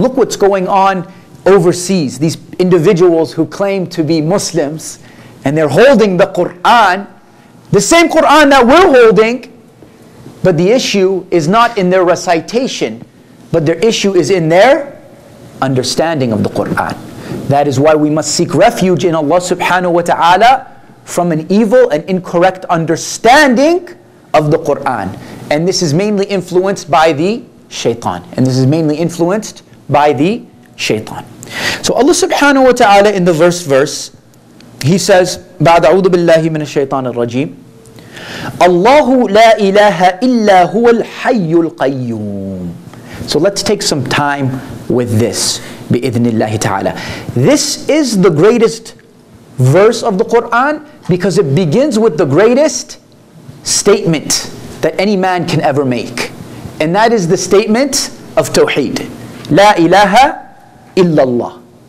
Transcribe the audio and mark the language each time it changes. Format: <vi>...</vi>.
<en>Look what's going on overseas. These individuals who claim to be Muslims and they're holding the Quran, the same Quran that we're holding, but the issue is not in their recitation, but their issue is in their understanding of the Quran. That is why we must seek refuge in Allah subhanahu wa ta'ala from an evil and incorrect understanding of the Quran. And this is mainly influenced by the shaitan. And this is mainly influenced by the shaitan. So Allah subhanahu wa ta'ala in the verse, He says,</en> <ar>بَعْدَ عُوذُ بِاللَّهِ مِنَ الشَّيْطَانِ الرَّجِيمِ اللَّهُ لَا إِلَهَ إِلَّا هُوَ الْحَيُّ الْقَيُّومِ.</ar> <en>So let's take some time with this,</en> <ar>بِإِذْنِ اللَّهِ تَعَالَى.</ar> <en>This is the greatest verse of the Quran because it begins with the greatest statement that any man can ever make. And that is the statement of Tawheed. La ilaha illallah.</en>